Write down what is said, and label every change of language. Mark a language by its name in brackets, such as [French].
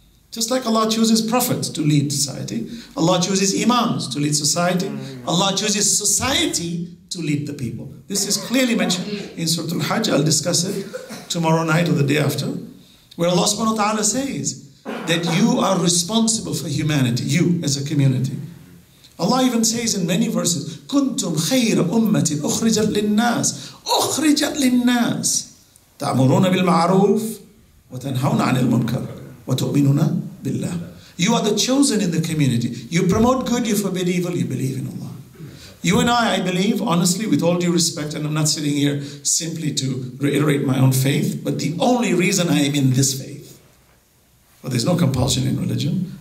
[English] Just like Allah chooses prophets to lead society, Allah chooses imams to lead society, Allah chooses society to lead the people. This is clearly mentioned in Surah Al-Hajj. I'll discuss it tomorrow night or the day after, where Allah subhanahu wa ta'ala says that you are responsible for humanity, you as a community. Allah even says in many verses, [Arabic] كُنْتُمْ خَيْرَ أُمَّةٍ أُخْرِجَتْ لِلنَّاسِ أُخْرِجَتْ لِلنَّاسِ تَعْمُرُونَ بِالْمَعْرُوفِ وَتَنْهَوْنَ عَنِ الْمُنْكَرِ وَتُؤْمِنُونَ بِاللَّهِ. [English] You are the chosen in the community. You promote good, you forbid evil, you believe in Allah. You and I believe, honestly, with all due respect, and I'm not sitting here simply to reiterate my own faith, but the only reason I am in this faith, well, there's no compulsion in religion.